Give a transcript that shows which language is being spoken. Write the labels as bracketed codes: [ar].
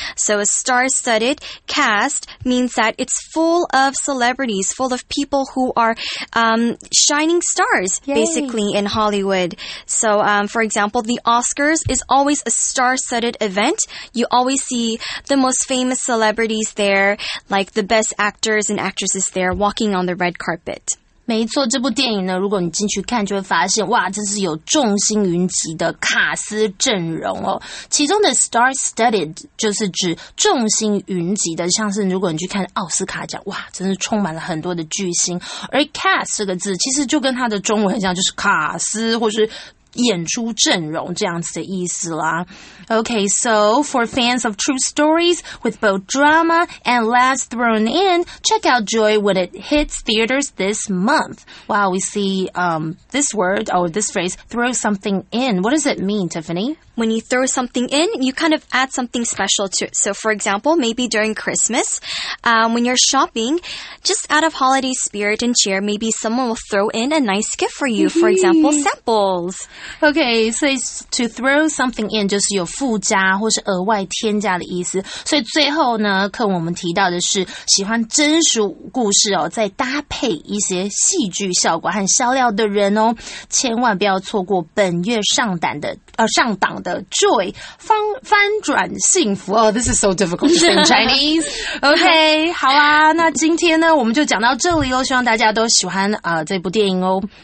[en] So a star-studded cast means that it's full of celebrities, full of people who are shining stars, basically, in Hollywood. So, for example, the Oscars is always a star-studded event. You always see the most famous celebrities there, like the best actors and actresses there walking on the red carpet. [zh] 没错，这部电影呢，如果你进去看，就会发现，哇，这是有众星云集的卡斯阵容哦。其中的 star-studded 就是指众星云集的，像是如果你去看奥斯卡奖，哇，真是充满了很多的巨星。而 cast 这个字，其实就跟它的中文很像，就是卡斯或是演出阵容这样子的意思啦。 [en] Okay, so for fans of true stories with both drama and laughs thrown in, check out Joy when it hits theaters this month. Wow, we see this word or this phrase, throw something in. What does it mean, Tiffany? When you throw something in, you kind of add something special to it. So for example, maybe during Christmas, when you're shopping, just out of holiday spirit and cheer, maybe someone will throw in a nice gift for you, for example, samples. Okay, so to throw something in [zh] 就是有附加或是额外添加的意思。所以最后呢，课文我们提到的是喜欢真实故事哦，再搭配一些戏剧效果和笑料的人哦，千万不要错过本月上档的Joy, 翻转幸福。 [en] Oh, this is so difficult to say in Chinese. [zh] Okay, 好啊，那今天呢，我们就讲到这里哦，希望大家都喜欢这部电影哦。